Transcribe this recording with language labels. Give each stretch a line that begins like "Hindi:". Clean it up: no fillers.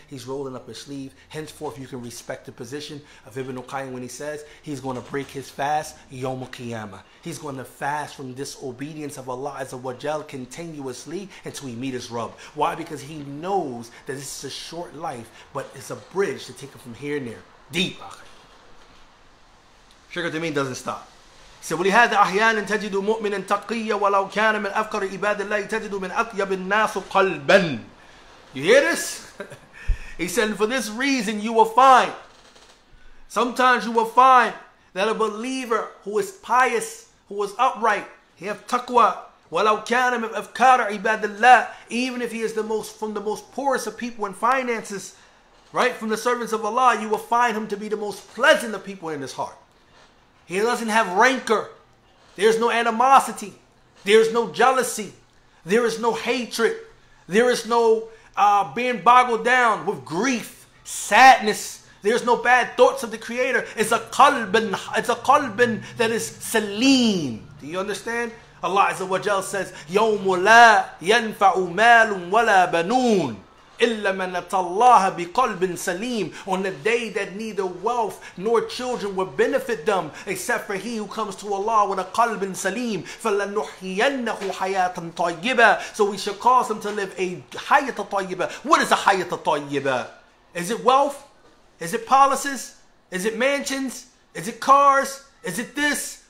English: He's rolling up his sleeve. Henceforth, you can respect the position of Ibn al-Qayyim when he says he's going to break his fast, Yawm al-Qiyamah. He's going to fast from disobedience of Allah Azza wa Jal continuously until he meet his Rabb. Why? Because he knows that this is a short life, but it's a bridge to take him from here and there. Deep. Shaykh Uthaymeen doesn't stop. So we had the
Arabic: أحيانا تجد مؤمنا تقيا ولو كان من أفقر عباد الله تجد من أطيب الناس قلبا.
English: You hear this? He said, for this reason you will find, sometimes you will find that a believer who is pious, who is upright, he have taqwa,
Arabic: ولو كان من أفقر عباد الله,
English: even if he is the most from the most poorest of people in finances, right, from the servants of Allah, you will find him to be the most pleasant of people in his heart. He doesn't have rancor. There's no animosity. There's no jealousy. There is no hatred. There is no being boggled down with grief, sadness. There's no bad thoughts of the Creator. It's a qalbin that is saleem. Do you understand?
Arabic: Allah Azza wa Jal says, يَوْمُ لَا يَنْفَعُ مَالٌ وَلَا بَنُونَ إِلَّا مَنْ أَتَى اللَّهَ بِقَلْبٍ سَلِيمٍ.
English: On the day that neither wealth nor children will benefit them, except for he who comes to Allah with a qalbin saleem.
Arabic: فَلَنُحْيَنَّهُ حَيَاةً طَيِّبًا.
English: So we should cause him to live a
Arabic: حَيَةً طَيِّبًا.
English: What is a حَيَةً طَيِّبًا? Is it wealth? Is it palaces? Is it mansions? Is it cars? Is it this?